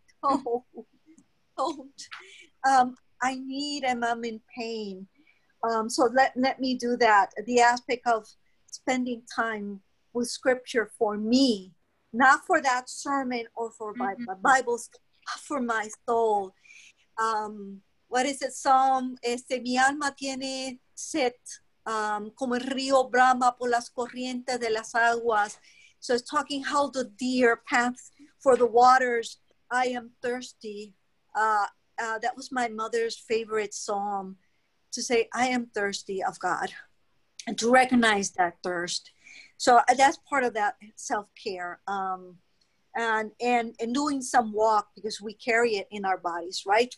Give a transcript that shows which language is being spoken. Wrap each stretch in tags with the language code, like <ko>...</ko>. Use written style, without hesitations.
<en>Oh, don't. I need and I'm in pain. So let me do that. The aspect of spending time with scripture for me, not for that sermon or for my Bible, for my soul. What is it?</en> <es>Psalm, mi alma tiene sed, como el río brama por las corrientes de las aguas.</es> <en>So it's talking how the deer pants for the waters. I am thirsty. That was my mother's favorite psalm, to say, I am thirsty of God, and to recognize that thirst. So that's part of that self-care, and doing some walk, because we carry it in our bodies, right?</en>